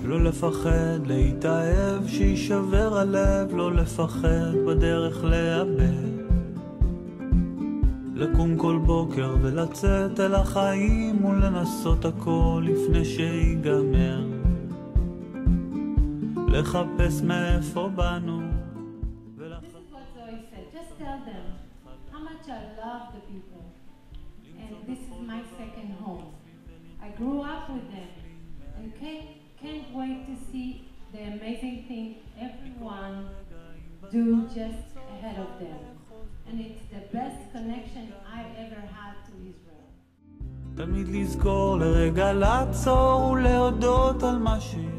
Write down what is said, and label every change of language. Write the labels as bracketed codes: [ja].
[he] לא לפחד להתאהב, שישבר הלב, לא לפחד בדרך לאבד, לקום כל בוקר ולצאת אל החיים ולנסות הכל לפני שיגמר, לחפש מאיפה באנו. [en] This is what Zoe said, just tell them how much I love the people and this is my second home. I grew up with them. Okay, can't wait to see the amazing thing everyone do just ahead of them. And it's the best connection I ever had to Israel. [he] תמיד לזכור לרגע לעצור ולהודות על מה ש...